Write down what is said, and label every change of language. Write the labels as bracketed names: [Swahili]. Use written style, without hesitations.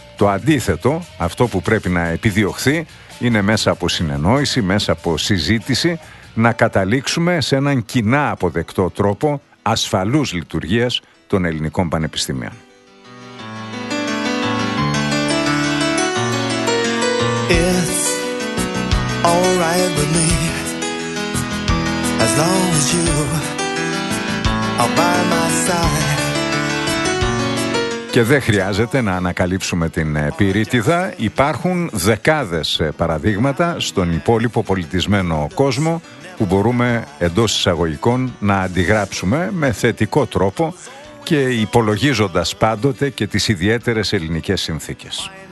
[Greek] Το αντίθετο, αυτό που πρέπει να επιδιωχθεί, είναι μέσα από συνεννόηση, μέσα από συζήτηση, να καταλήξουμε σε έναν κοινά αποδεκτό τρόπο ασφαλούς λειτουργίας των ελληνικών πανεπιστήμιων. [English] It's all right with me, as long as you are by my side. [Greek] Και δεν χρειάζεται να ανακαλύψουμε την πυρίτιδα. Υπάρχουν δεκάδες παραδείγματα στον υπόλοιπο πολιτισμένο κόσμο που μπορούμε εντός εισαγωγικών να αντιγράψουμε με θετικό τρόπο και υπολογίζοντας πάντοτε και τις ιδιαίτερες ελληνικές συνθήκες.